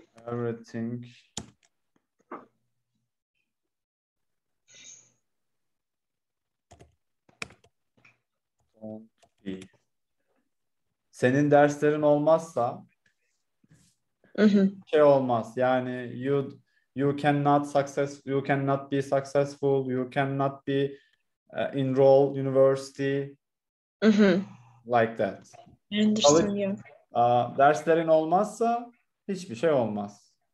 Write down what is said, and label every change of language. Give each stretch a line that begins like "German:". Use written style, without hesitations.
English: everything won't be.
Turkish: Senin derslerin olmazsa mm-hmm. şey olmaz. Yani
English: you cannot be successful, you cannot be enrolled university. Mm-hmm. Like that. Understand, yeah.
Turkish: Derslerin olmazsa hiçbir şey olmaz.